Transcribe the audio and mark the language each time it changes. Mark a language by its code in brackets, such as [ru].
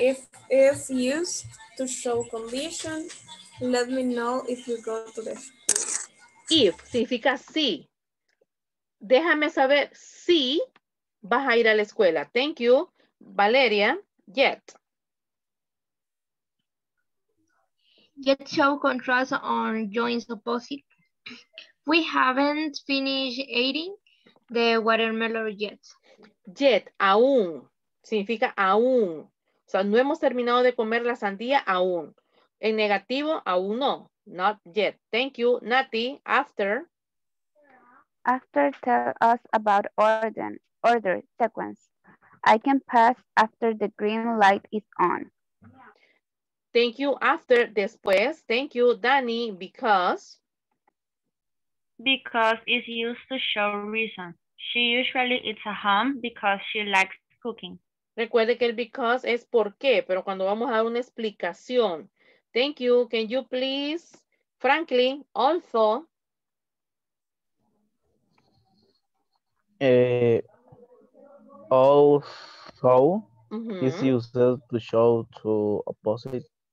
[en] If is used to show condition, let me know if you go to the school. [es] If significa si. Déjame saber si vas a ir a la escuela. [en] Thank you, Valeria. Yet. Yet show contrast on joins opposite. We haven't finished eating the watermelon yet. [es] Yet, aún, significa aún. O sea, no hemos terminado de comer la sandía aún. En negativo, aún no. [en] Not yet. Thank you. Nati, after. After, tell us about order sequence. I can pass after the green light is on. Thank you. After, después. Thank you, Dani, because. Because it's used to show reason. She usually eats at home because she likes cooking. [es] Recuerde que el because es por qué, pero cuando vamos a dar una explicación. [en] Thank you. Can you please, Franklin, also. Also, mm-hmm. It's used to show to opposite.